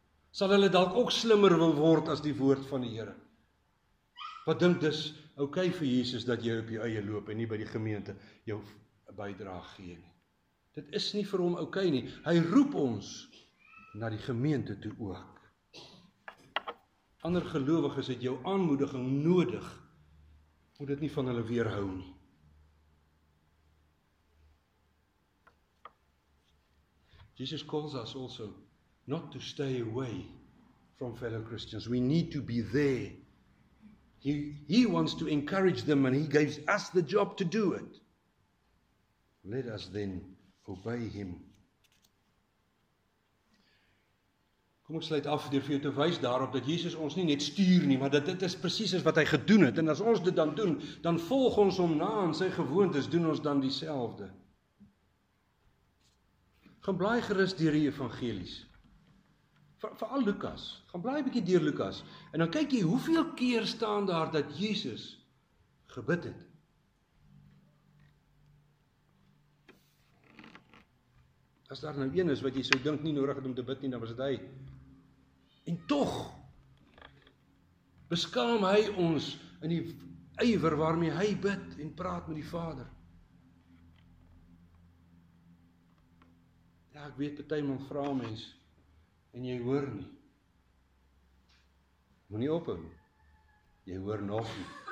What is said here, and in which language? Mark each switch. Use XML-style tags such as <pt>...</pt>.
<af>Sal hulle dalk ook slimmer wil word as die woord van die Here. Wat dink dis okay vir Jesus dat jy op jou eie loop en nie by die gemeente jou bydrae gee nie. Dit is nie vir hom okay nie. Hy roep ons na die gemeente toe ook. Ander gelowiges het jou aanmoediging nodig. Moet dit nie van hulle weerhou nie.</af> <en>Jesus calls us also not to stay away from fellow Christians. We need to be there. He wants to encourage them and he gives us the job to do it. Let us then obey him.</en> <af>Kom ek sluit af deur vir jou te wys daarop dat Jesus ons nie net stuur nie, maar dat dit is presies wat hy gedoen het. En as ons dit dan doen, dan volg ons hom na in sy gewoontes, doen ons dan dieselfde. Gaan blaai gerus deur die evangelies. Veral Lukas. Gaan blaai 'n bietjie deur Lukas en dan kyk jy hoeveel keer staan daar dat Jesus gebid het. As daar nou een is wat jy sou dink nie nodig het om te bid nie, dan was dit hy. En tog beskaam hy ons in die ywer waarmee hy bid en praat met die Vader. Ja, ek weet party mense vra mens en jy hoor nie. Moenie ophou nie. Jy hoor nog nie.</af>